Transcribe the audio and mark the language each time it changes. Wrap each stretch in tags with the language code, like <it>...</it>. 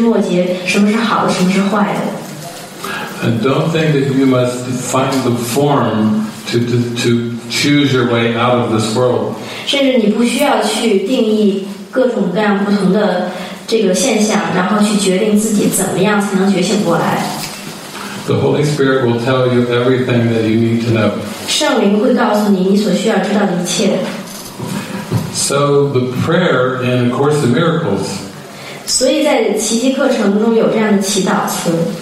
<zh>或者把这个世界分成一些细枝末节，什么是好的，什么是坏的。</zh> <en>And don't think that you must find the form to choose your way out of this world.</en> <zh>甚至你不需要去定义各种各样不同的 这个现象，然后去决定自己怎么样才能觉醒过来。</zh> <en>The Holy Spirit will tell you everything that you need to know.</en> <zh>圣灵会告诉你你所需要知道的一切。</zh> <en>So the prayer in A Course in Miracles,</en> <zh>所以在奇迹课程中有这样的祈祷词,</zh>